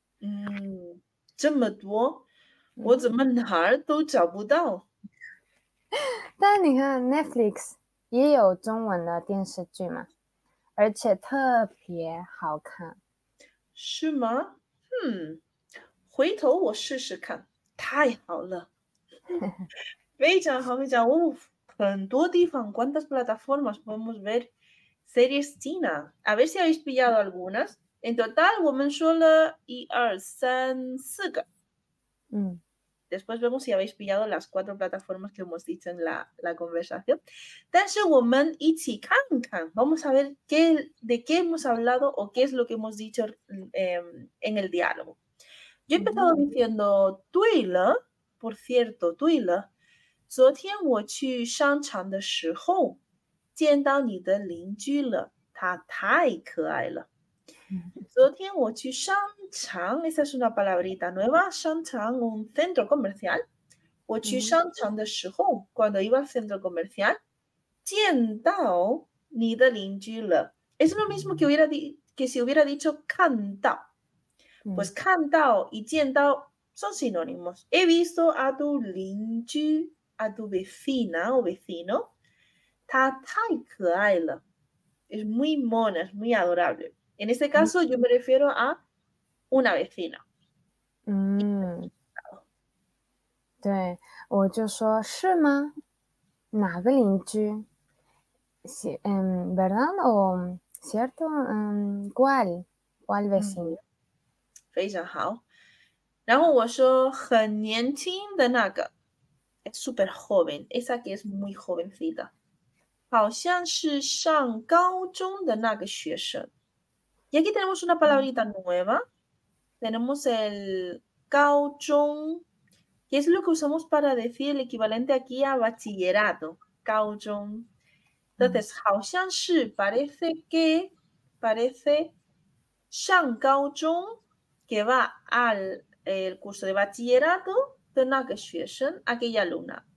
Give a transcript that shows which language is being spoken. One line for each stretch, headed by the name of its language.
Chinese: 嗯这么多我怎么哪儿都找不到。但你看 Netflix 也有中文的电视剧嘛。而且特别好看。是吗嗯回头我试试看太好了。非常好非常好、很多地方
Spanish: ,cuántas plataformas podemos ver series china? A ver si habéis pillado algunas. En total,
Chinese: 我们说了1, 2, 3, 4个。嗯。
Spanish: Después vemos si habéis pillado las 4 plataformas que hemos dicho en la conversación.
Chinese: 但是我们一起看看
Spanish: vamos a ver de qué hemos hablado o qué es lo que hemos dicho、en el diálogo. Yo he empezado diciendo,
Chinese: 对了,
Spanish: por cierto,
Chinese: 对了, 昨天我去商场的时候见到你的邻居了他太可爱了。昨天我去商场
Spanish: esa es una palabrita nueva 商场 un centro comercial
Chinese: 我去商场的时候、
Spanish: cuando iba al centro comercial
Chinese: 见到你的邻居了
Spanish: es lo mismo que si hubiera dicho 看到、pues 看到y 见到 Son sinónimos. He visto a tu linchi, a tu vecina o vecino. Ta taikaila. Es muy mona, es muy adorable. En este caso, yo me refiero a una vecina.
Chinese: 对，我就说是吗？哪个邻居？
Spanish: 是，¿verdad o cierto? ¿Cuál vecino?
Chinese: 非常好。然后我说很年轻的那个，
Spanish: es super joven, esa que es muy jovencita，
Chinese: 好像是上高中的那个学生。
Spanish: Y aquí tenemos una palabrita nueva. Tenemos el 高中，que es lo que usamos para decir el equivalente aquí a bachillerato.
Chinese: 高中。
Spanish: Entonces,
Chinese: 好像是
Spanish: parece que parece
Chinese: 上高中
Spanish: que va al el curso de bachillerato de la que学生, aquella alumna.